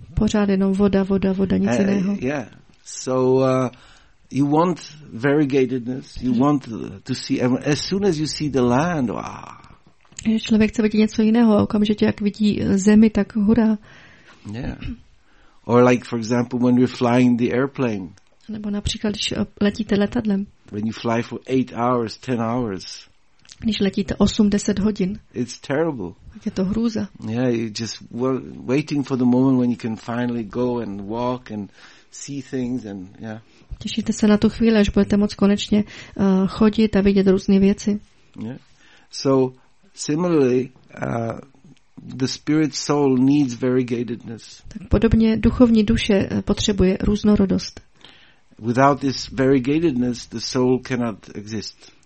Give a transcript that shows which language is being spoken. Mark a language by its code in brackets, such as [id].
[cs] Pořád jenom voda, nic jiného. [en] Yeah. So you want variegatedness. You want to see, as soon as you see the land, wow. [cs] Člověk chce vidět něco jiného, okamžitě jak vidí zemi, tak hurá. [en] Yeah. Or like for example when you're flying the airplane. [cs] Nebo například když letíte letadlem. [en] When you fly for 8 hours, 10 hours. [cs] Když letíte 8-10 hodin. [en] It's terrible. [cs] Je to hrůza. [en] Yeah, you're just waiting for the moment when you can finally go and walk and see things and yeah. [cs] Těšíte se na tu chvíli, až budete moct konečně chodit a vidět různé věci. [en] Yeah. So similarly, the spirit soul needs variegatedness. [cs] Tak podobně duchovní duše potřebuje různorodost. [en] Without this variegatedness, the soul cannot exist.